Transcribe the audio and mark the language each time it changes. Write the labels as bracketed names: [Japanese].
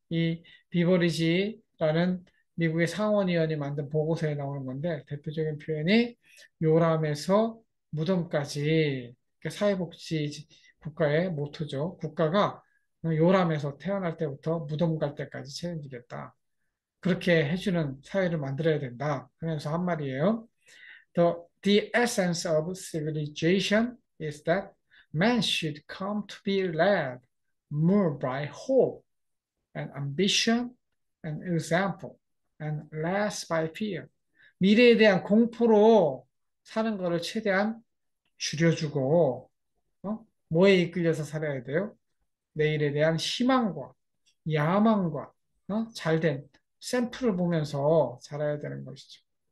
[Korean] 이 비버리지라는 미국의 상원의원이 만든 보고서에 나오는 건데 대표적인 표현이 요람에서 무덤까지 사회복지 국가의 모토죠. 국가가 요람에서 태어날 때부터 무덤 갈 때까지 책임지겠다. 그렇게 해주는 사회를 만들어야 된다. 하면서 한 말이에요. [English] The essence of civilization is that man should come to be led more by hope and ambition and example and less by fear. [Korean] 미래에 대한 공포로 사는 것을 최대한 줄여주고, 뭐에 이끌려서 살아야 돼요? 내일에 대한 희망과 야망과 잘된 샘플을 보면서 자라야 되는 것이죠.